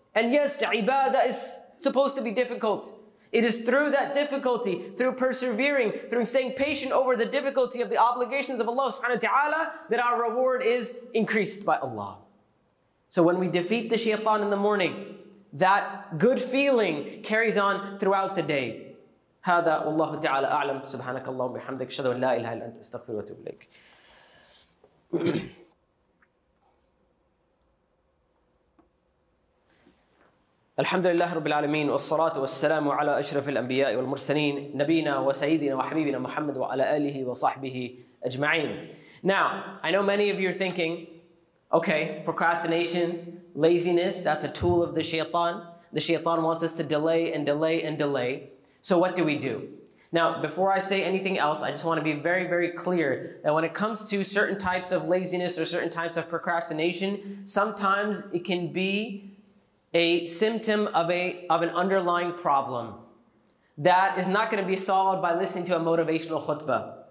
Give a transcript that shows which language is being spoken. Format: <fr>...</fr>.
<en>And yes, ibadah is supposed to be difficult. It is through that difficulty, through persevering, through staying patient over the difficulty of the obligations of Allah subhanahu wa ta'ala, that our reward is increased by Allah. So when we defeat the shaitan in the morning, that good feeling carries on throughout the day.</en> <ar>هذا والله تعالى أعلم سبحانك اللهم وبحمدك أشهد أن لا إله إلا أنت أستغفرك وأتوب إليك. الحمد لله رب العالمين والصلاة والسلام على أشرف الأنبياء والمرسلين نبينا وسيدنا وحبيبنا محمد وعلى آله وصحبه أجمعين.</ar> <en>Now, I know many of you are thinking, okay, procrastination, laziness, that's a tool of the shaitan. The shaitan wants us to delay and delay and delay. So what do we do? Now, before I say anything else, I just want to be very, very clear that when it comes to certain types of laziness or certain types of procrastination, sometimes it can be a symptom of an underlying problem that is not going to be solved by listening to a motivational khutbah.</en>